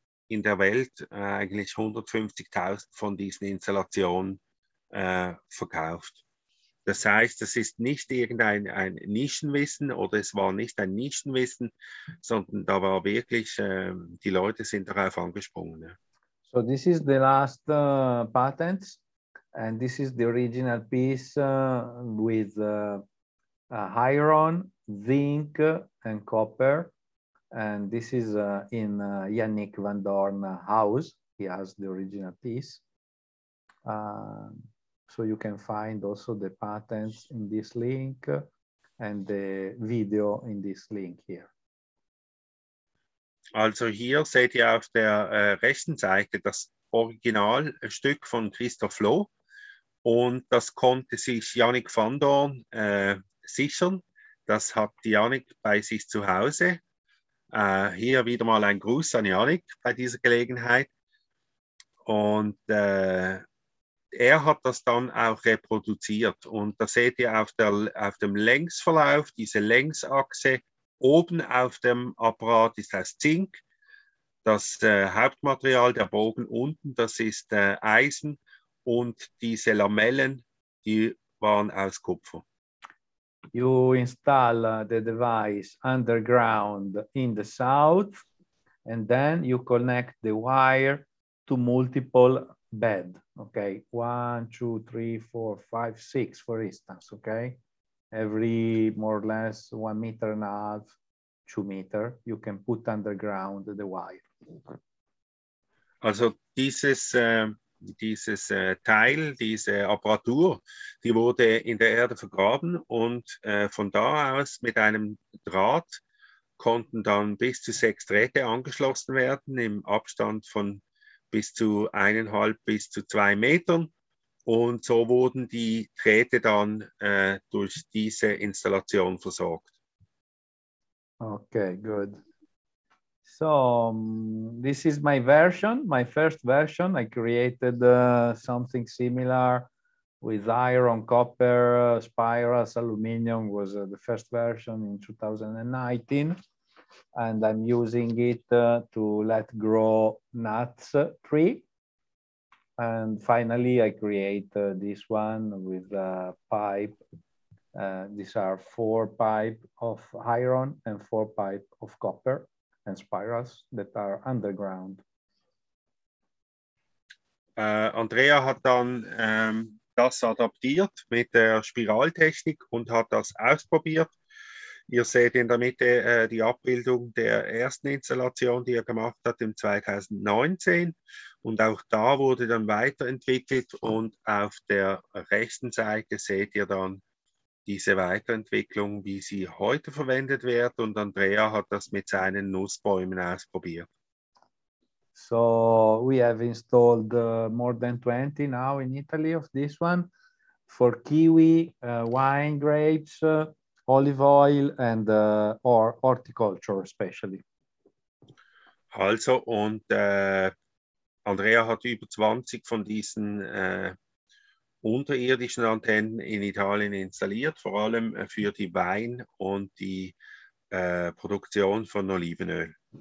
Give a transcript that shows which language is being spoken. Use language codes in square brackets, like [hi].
[de] in der Welt eigentlich 150.000 von diesen Installationen verkauft. Das heißt, das ist nicht irgendein ein Nischenwissen oder es war nicht ein Nischenwissen, sondern da war wirklich, die Leute sind darauf angesprungen. [en] So this is the last patent and this is the original piece with iron, zinc and copper. And this is in Yannick Van Dorn house. He has the original piece. So you can find also the patents in this link and the video in this link here. [de] Also hier seht ihr auf der rechten Seite das Originalstück von Christoph Loh. Und das konnte sich Yannick Van Dorn sichern. Das hat Yannick bei sich zu Hause. Hier wieder mal ein Gruß an Yannick bei dieser Gelegenheit. Und er hat das dann auch reproduziert. Und da seht ihr auf dem Längsverlauf, diese Längsachse, oben auf dem Apparat ist das Zink. Das Hauptmaterial, der Bogen unten, das ist Eisen. Und diese Lamellen, die waren aus Kupfer. [en] You install the device underground in the south and then you connect the wire to multiple bed. Okay, 1, 2, 3, 4, 5, 6, for instance, okay? Every more or less 1.5 meters, 2 meters, you can put underground the wire. [de] Also dieses Teil, diese Apparatur, die wurde in der Erde vergraben und von da aus mit einem Draht konnten dann bis zu 6 Drähte angeschlossen werden im Abstand von bis zu 1,5 bis zu 2 Metern. Und so wurden die Drähte dann durch diese Installation versorgt. [en] Okay, good. So this is my version, my first version. I created something similar with iron, copper, spirals, aluminium was the first version in 2019. And I'm using it to let grow nuts tree. And finally, I create this one with a pipe. These are 4 pipes of iron and 4 pipes of copper. And spirals that are underground. [de] Andrea hat dann das adaptiert mit der Spiraltechnik und hat das ausprobiert. Ihr seht in der Mitte die Abbildung der ersten Installation, die er gemacht hat im 2019. Und auch da wurde dann weiterentwickelt. Und auf der rechten Seite seht ihr dann diese Weiterentwicklung, wie sie heute verwendet wird. Und Andrea hat das mit seinen Nussbäumen ausprobiert. [en] So we have installed more than 20 now in Italy of this one. For kiwi, wine grapes, olive oil and or horticulture especially. [de] Also und Andrea hat über 20 von diesen unterirdischen Antennen in Italien installiert, vor allem für die Wein und die Produktion von Olivenöl.